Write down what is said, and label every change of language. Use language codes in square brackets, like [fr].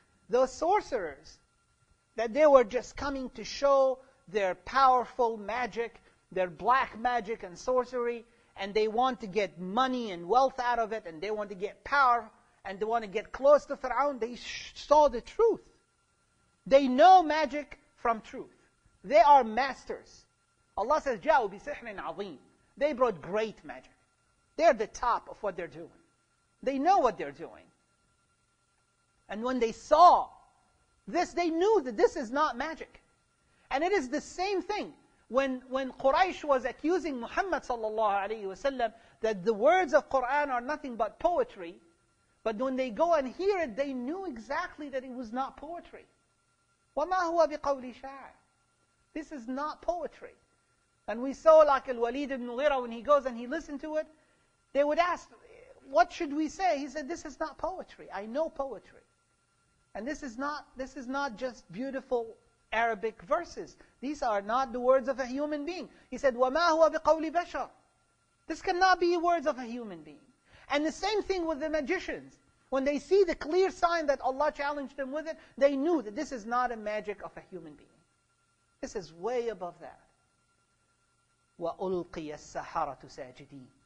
[en] Those sorcerers, that they were just coming to show their powerful magic, their black magic and sorcery, and they want to get money and wealth out of it, and they want to get power, and they want to get close to Fir'aun, they saw the truth. They know magic from truth. They are masters. Allah says, [ar] جَاءُ بِسِحْرٍ عَظِيمٍ. [en] They brought great magic. They're the top of what they're doing. They know what they're doing. And when they saw this, they knew that this is not magic. And it is the same thing. When Quraysh was accusing Muhammad sallallahu alayhi wa sallam that the words of Quran are nothing but poetry, but when they go and hear it, they knew exactly that it was not poetry. [ar] وَمَا هُوَ بِقَوْلِ شَاعِ. [en] This is not poetry. And we saw like Al-Walid ibn Mughira, when he goes and he listened to it, they would ask, what should we say? He said, this is not poetry. I know poetry. And this is not just beautiful Arabic verses. These are not the words of a human being. He said, [ar] وَمَا هُوَ بِقَوْلِ بَشَرٍ. [en] This cannot be words of a human being. And the same thing with the magicians. When they see the clear sign that Allah challenged them with it, they knew that this is not a magic of a human being. This is way above that. [ar] وَأُلْقِيَ السَّحَرَةُ سَاجِدِينَ.